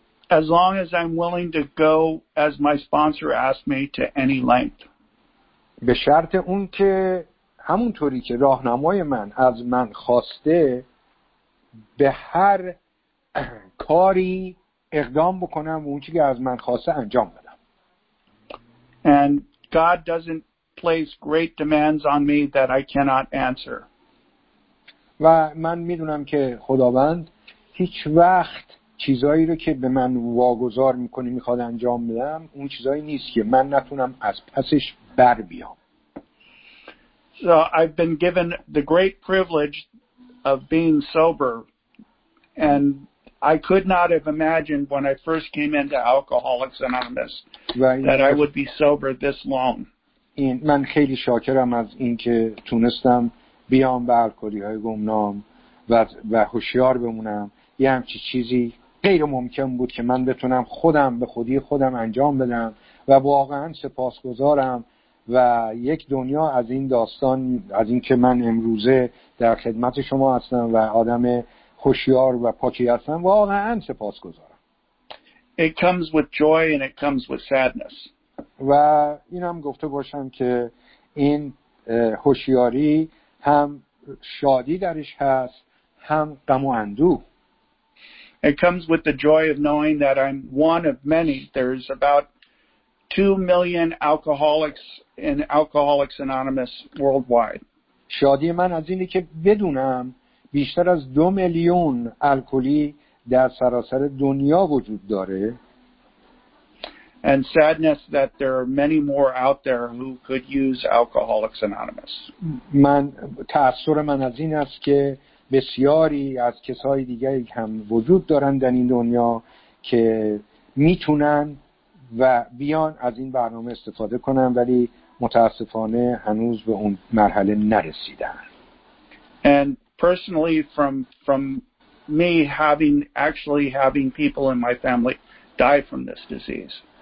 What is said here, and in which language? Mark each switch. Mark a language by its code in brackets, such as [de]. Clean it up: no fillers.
[en] As long as I'm willing to go as my sponsor asked me to any length. [fa] به شرط اون که همونطوری که راهنمای من از من خواسته به هر کاری اقدام بکنم و اون چیزی که از من خواسته انجام بدم. [en] And God doesn't place great demands on me that I cannot answer. [fa] و من میدونم که خداوند هیچ وقت چیزایی رو که به من واگذار میکنه میخواد انجام بدم اون چیزایی نیست که من نتونم از پسش بر بیام. [en] So I've been given the great privilege of being sober, and I could not have imagined when I first came into Alcoholics Anonymous that I would be sober this long. [fa] من خیلی شاکرم از اینکه تونستم بیام به الکلی‌های گمنام و هوشیار بمونم. یه همچی چیزی غیر ممکن بود که من بتونم خودم به خودی خودم انجام بدم و واقعا سپاسگزارم و یک دنیا از این داستان، از این که من امروزه در خدمت شما هستم و آدم خوشیار و پاکی هستم واقعا سپاسگزارم. [en] It comes with joy and it comes with sadness. [fa] و اینم گفته باشم که این خوشیاری هم شادی درش هست هم غم و اندوه. [en] It comes with the joy of knowing that I'm one of many. There's about 2 million alcoholics in Alcoholics Anonymous worldwide. [fa] شادی من از اینه که بدونم بیشتر از 2 میلیون الکلی در سراسر دنیا وجود داره. [en] And sadness that there are many more out there who could use Alcoholics Anonymous. [fa] من تأثیر من از این است که بسیاری از کسای دیگری هم وجود دارن در این دنیا که میتونن و بیان از این برنامه استفاده کنن، ولی متاسفانه هنوز به اون مرحله نرسیدن. [en] And personally from me having people in my family die from this disease.